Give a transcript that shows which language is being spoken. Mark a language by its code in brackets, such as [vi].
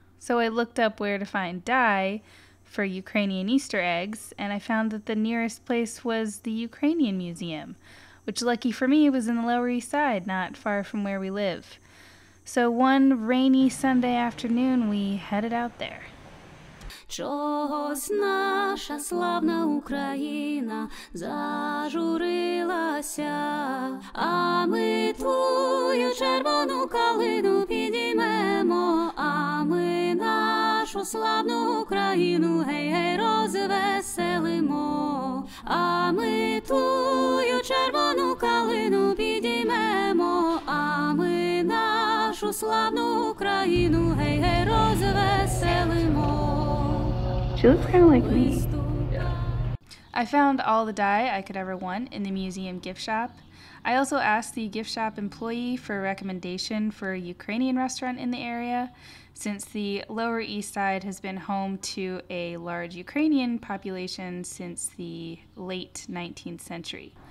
[en] So I looked up where to find dye for Ukrainian Easter eggs, and I found that the nearest place was the Ukrainian Museum, which lucky for me was in the Lower East Side, not far from where we live. So one rainy Sunday afternoon, we headed out there. [uk] Чогось наша славна Україна зажурилася, а ми твою червону калину піднімемо, а ми нашу славну Україну гей-гей розвеселимо, а ми твою червону калину піднімемо, а ми нашу славну Україну гей-гей розвеселимо. [en] Looks kind of like me. Yeah. I found all the dye I could ever want in the museum gift shop. I also asked the gift shop employee for a recommendation for a Ukrainian restaurant in the area, since the Lower East Side has been home to a large Ukrainian population since the late 19th century.